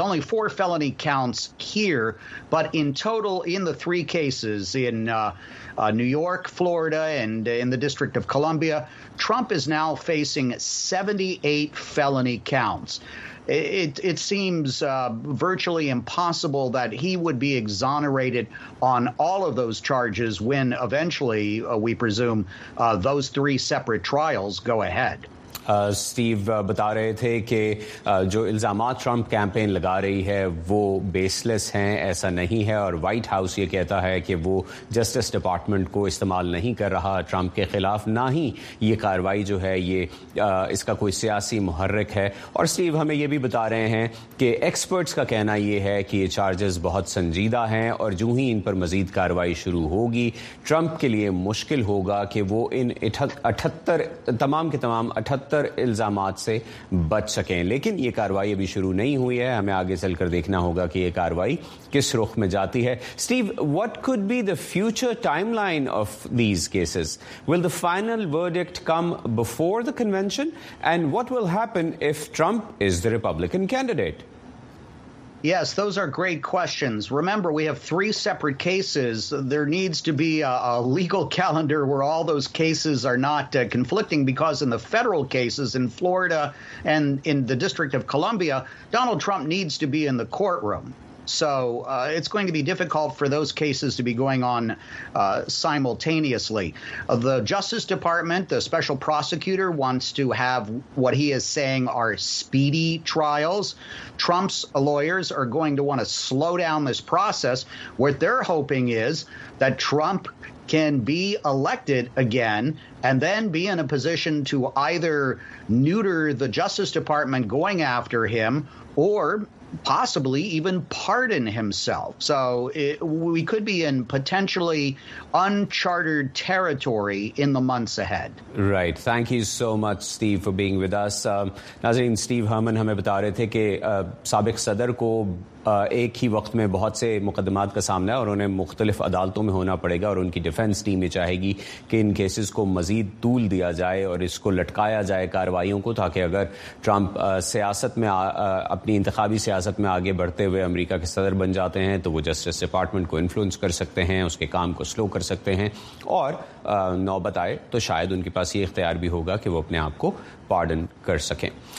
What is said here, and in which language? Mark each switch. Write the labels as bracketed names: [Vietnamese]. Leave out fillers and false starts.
[English] Only four felony counts here, but in total in the three cases in New York, Florida, and in the District of Columbia, Trump is now facing 78 felony counts. It seems virtually impossible that he would be exonerated on all of those charges when eventually, we presume, those three separate trials go ahead. [Hindi] Steve बता रहे थे कि जो इल्जामात Trump campaign लगा रही है वो baseless हैं, ऐसा नहीं है. और व्हाइट हाउस ये कहता है कि वो जस्टिस डिपार्टमेंट को इस्तेमाल नहीं कर रहा ट्रंप के खिलाफ, ना ही ये कार्रवाई जो है ये इसका कोई सियासी मुहर्रिक है. और स्टीव हमें ये भी बता रहे हैं कि एक्सपर्ट्स का कहना ये है कि ये चार्जेस बहुत संजीदा हैं और जूं ही इन पर मजीद कार्रवाई शुरू होगी ट्रंप के लिए मुश्किल होगा कि वो इन 78 तमाम के तमाम 78 इल्जामात से बच सकें. लेकिन ये कार्रवाई अभी शुरू नहीं हुई है, हमें आगे चलकर देखना होगा कि ये कार्रवाई किस रुख में जाती है. [English] Steve, what could be the future timeline of these cases? Will the final verdict come before the convention? And what will happen if Trump is the Republican candidate? Yes, those are great questions. Remember, we have three separate cases. There needs to be a legal calendar where all those cases are not conflicting, because in the federal cases in Florida and in the District of Columbia, Donald Trump needs to be in the courtroom. So it's going to be difficult for those cases to be going on simultaneously. The Justice Department, the special prosecutor, wants to have what he is saying are speedy trials. Trump's lawyers are going to want to slow down this process. What they're hoping is that Trump can be elected again and then be in a position to either neuter the Justice Department going after him or possibly even pardon himself. So we could be in potentially uncharted territory in the months ahead. Right. Thank you so much, Steve, for being with us. [Hindi] Nazreen, Steve Herman hame bata rahe the ke sabiq sadr ko एक ही वक्त में बहुत से मुकदमात का सामना है और उन्हें मुख्तलिफ अदालतों में होना पड़ेगा और उनकी डिफेंस टीम ये चाहेगी कि इन केसेस को मजीद तूल दिया जाए और इसको लटकाया जाए कार्रवाइयों को, ताकि अगर ट्रंप सियासत में अपनी इंतखाबी सियासत में आगे बढ़ते हुए अमेरिका के सदर बन जाते हैं तो वो जस्टिस डिपार्टमेंट को इन्फ्लुएंस कर सकते हैं, उसके काम को स्लो कर सकते हैं और नौबत आए तो शायद उनके पास ये इख्तियार भी होगा कि वो अपने आप को पार्डन कर सकें.